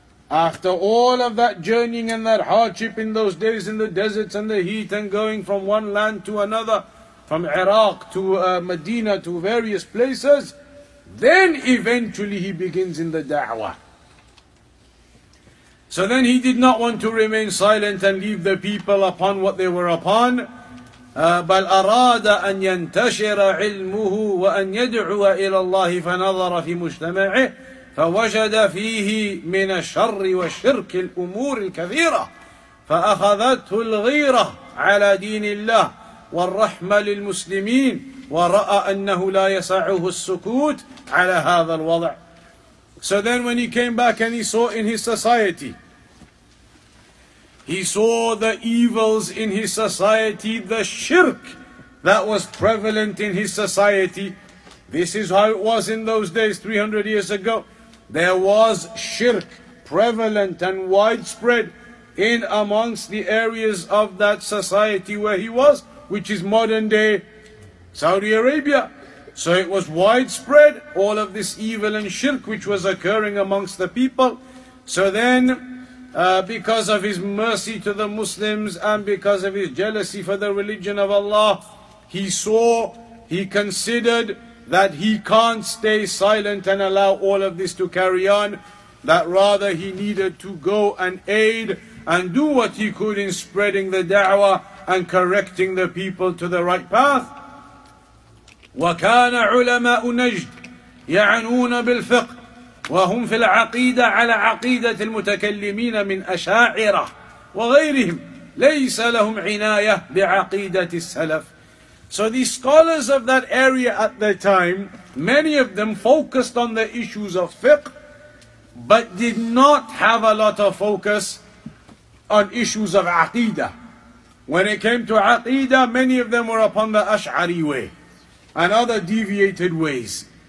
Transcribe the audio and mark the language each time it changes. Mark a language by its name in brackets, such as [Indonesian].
[English] After all of that journeying and that hardship in those days in the deserts and the heat and going from one land to another, from Iraq to Medina to various places, then eventually he begins in the da'wah. So then he did not want to remain silent and leave the people upon what they were upon. [Arabic] بل أراد أن ينتشر علمه وأن يدعو إلى الله فنظر في مجتمعه فوجد فيه من الشر والشرك الأمور الكثيرة فأخذته الغيرة على دين الله والرحمة للمسلمين ورأى أنه لا يسعه السكوت على هذا الوضع. [English] So then when he came back and he saw in his society, he saw the evils in his society, the shirk that was prevalent in his society. This is how it was in those days, 300 years ago. There was shirk prevalent and widespread in amongst the areas of that society where he was, which is modern day Saudi Arabia. So it was widespread, all of this evil and shirk which was occurring amongst the people. So then, because of his mercy to the Muslims and because of his jealousy for the religion of Allah, he considered that he can't stay silent and allow all of this to carry on, that rather he needed to go and aid and do what he could in spreading the da'wah and correcting the people to the right path. [Arabic] وَكَانَ عُلَمَاءُ نَجْدٍ يعنون بالفقه وهم في العقيدة على عقيدة المتكلمين من أشاعرة وغيرهم ليس لهم عناية بعقيدة السلف. [English] So the scholars of that area at the time, many of them focused on the issues of fiqh, but did not have a lot of focus on issues of aqidah. When it came to aqidah, many of them were upon the Ash'ari way and other deviated ways.